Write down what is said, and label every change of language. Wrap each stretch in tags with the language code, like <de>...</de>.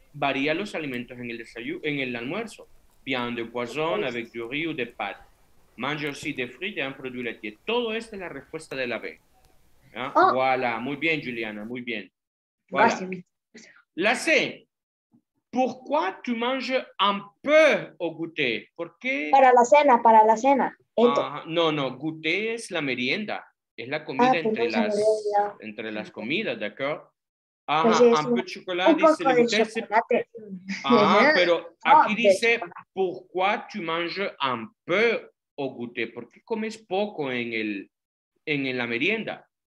<es>Varía los alimentos en el almuerzo.</es> <fr>Viande poisson avec du riz ou de pâte. Mange aussi des frites et un produit laitier.</fr> <es>Todo esto es la respuesta de la B.</es> <fr>Voilà,</fr> <es>muy bien, Juliana, muy bien.</es> <fr>Voilà.</fr> <es>La C...</es> <fr>Pourquoi tu manges un peu au goûter?</fr> <es>¿Por qué? Para la cena. No, goûter es la merienda. Es la comida entre las comidas, ¿de acuerdo?</es> <fr>Un peu de chocolat,</fr> <es>dice el goûter. Chocolate. Pero aquí dice,</es> <fr>¿pourquoi tu manges un peu au goûter?</fr> <es>¿Por qué comes poco en la merienda?</es>